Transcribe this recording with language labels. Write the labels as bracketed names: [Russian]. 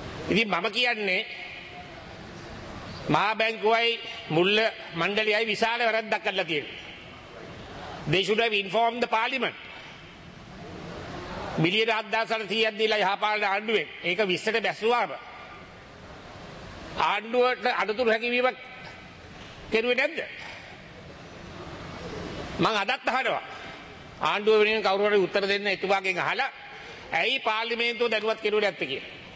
[Sinhala] ඉතින් මම කියන්නේ මහා බැංකුවයි මුල් මණ්ඩලයයි විශාල වැරද්දක් කළා කියලා. [English] They should have informed the parliament. [Sinhala] මිලියන 7800ක් දීලා යහපාලන ආණ්ඩුවෙන් ඒක 20ට බැස්සුවාම ආණ්ඩුවට අඩතුරු හැකියාවක් කෙරුවේ නැද්ද? මං අදත් අහනවා ආණ්ඩුව වෙනුවෙන් කවුරු හරි උත්තර දෙන්න එතුමාගෙන් අහලා ඇයි පාර්ලිමේන්තුව දැනුවත් කෙරුවේ නැත්තේ කියලා.